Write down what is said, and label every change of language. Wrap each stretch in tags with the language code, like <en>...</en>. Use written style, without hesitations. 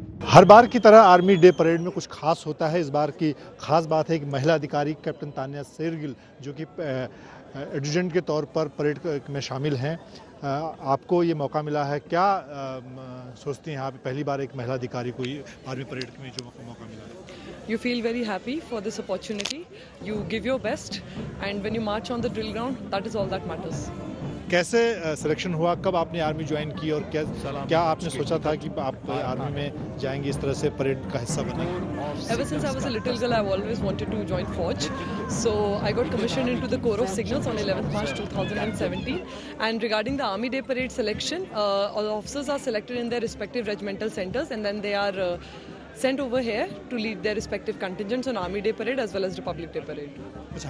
<hi>हर बार की तरह army day parade में कुछ खास होता है। इस बार की खास बात है कि महिला अधिकारी कैप्टन तानिया शेरगिल जो कि एडजुटेंट के तौर पर परेड में शामिल हैं, आपको ये मौका मिला है। क्या सोचती हैं आप, पहली बार एक महिला अधिकारी को आर्मी परेड में जो मौका मिला है?</hi> <en>You feel very happy for this opportunity. You give your best and when you march on the drill ground, that is all that matters.</en> <hi>कैसे सिलेक्शन हुआ, कब आपने आर्मी ज्वाइन की और क्या आपने सोचा था कि आप आर्मी में जाएंगे, इस तरह से परेड का हिस्सा बनेंगे?</hi> <en>Ever since I was a little girl, I've always wanted to join Forge. So I got commissioned into the Corps of Signals on 11th March 2017. And regarding the Army Day Parade selection, all officers are selected in their respective regimental centers and then they are sent over here to lead their respective contingents on Army Day Parade as well as Republic Day Parade.</en>